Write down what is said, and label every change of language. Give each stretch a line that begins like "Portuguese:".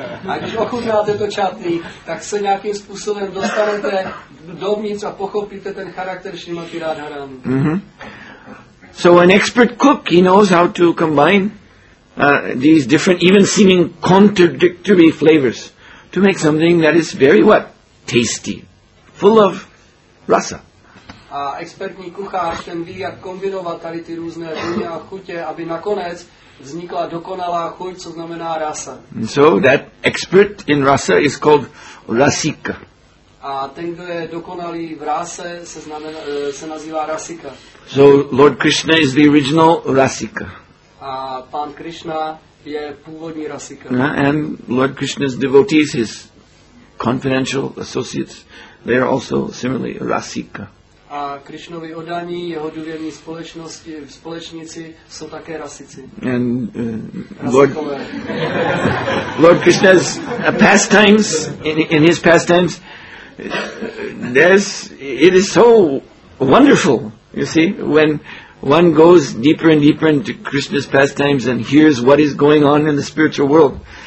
Czech: A když ochutnáte to chutney, tak se nějakým způsobem dostanete dovnitř a pochopíte ten charakter Srimati Radharani. Mm-hmm.
English: So an expert cook, he knows how to combine these different, even seeming contradictory flavors to make something that is very what? Tasty. Full of rasa.
Czech: A expertní kuchař, ten ví, jak kombinovat tady ty různé vůně a chutě, aby nakonec vznikla dokonalá chuť, co znamená rasa.
English: And so that expert in rasa is called rasika.
Czech: A ten, kdo je dokonalý v rase, se nazývá rasika.
English: So Lord Krishna is the original rasika.
Czech: A pán Krishna je původní rasika.
English: And Lord Krishna's devotees, his confidential associates, they are also similarly rasika.
Czech: A Krishnovi oddaní, jeho důvěrní společnosti, společníci, jsou také rasici.
English: And Lord Krishna's pastimes, in his pastimes, it is so wonderful, you see, when one goes deeper and deeper into Krishna's pastimes and hears what is going on in the spiritual world.